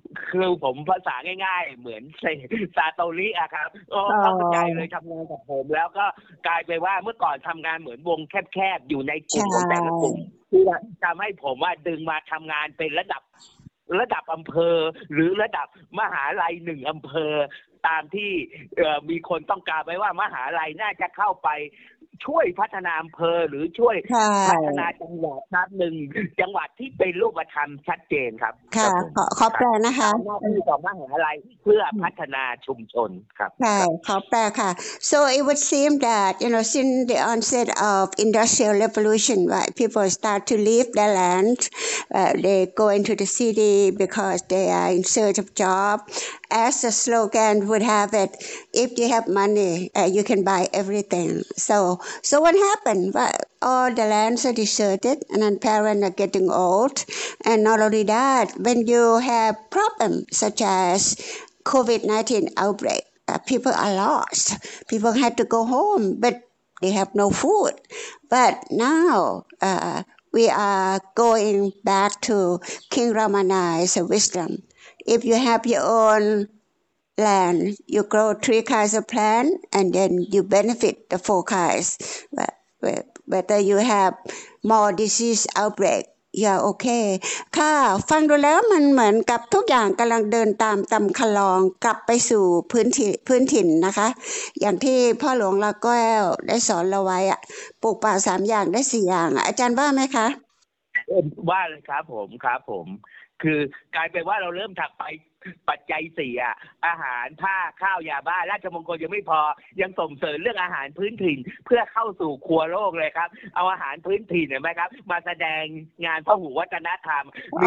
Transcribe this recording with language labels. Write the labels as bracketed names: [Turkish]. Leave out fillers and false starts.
[Thai] คือผมภาษาง่ายๆเหมือนซาโตริอะครับโอ้เข้าใจเลยทำงานกับผมแล้วก็กลายไปว่าเมื่อก่อนทำงานเหมือนวงแคบๆอยู่ในกลุ่มแต่ละกลุ่มที่ทำให้ผมว่าดึงมาทำงานเป็นระดับอำเภอหรือระดับมหาลัยหนึ่งอำเภอตามที่มีคนต้องการไว้ว่ามหาลัยน่าจะเข้าไปช่วยพัฒนาอำเภอหรือช่วยพั ฒนาจังหวัดนับหนึ่งจังหวัดที่เป็นรูปธรรมชัดเจนครับ ค่ะขอแปลนะคะ หน้าที่ของมหาลัยเพื่อพัฒนาชุมชนครับ ใช่ขอแปลค่ะ [English] so it would seem that you know since the onset of industrial revolution right people start to leave their land they go into the city because they are in search of job as the slogan would have it if you have money you can buy everything So what happened? Well, all the lands are deserted and then parents are getting old. And not only that, when you have problems such as COVID-19 outbreak, people are lost. People had to go home, but they have no food. But now we are going back to King Ramana's wisdom. If you have your own land, you grow three kinds of plant, and then you benefit the four kinds. Whether you have more disease outbreak, you're okay. [Thai] ค่ะฟังดูแล้วมันเหมือนกับทุกอย่างกำลังเดินตามตำคลองกลับไปสู่พื้นถิ่นนะคะอย่างที่พ่อหลวงละก้อยได้สอนเราไว้อะปลูกป่าสามอย่างได้สี่อย่างอาจารย์ว่าไหมคะ ว่าเลยครับผมครับผมคือกลายเป็นว่าเราเริ่มถักไปปัจจัยเสียอาหารผ้าข้าวยาบ้าราชมงคลยังไม่พอยังส่งเสริมเรื่องอาหารพื้นถิ่นเพื่อเข้าสู่ครัวโลกเลยครับเอาอาหารพื้นถิ่นเห็นไหมครับมาแสดงงานพหุวัฒนธรรมม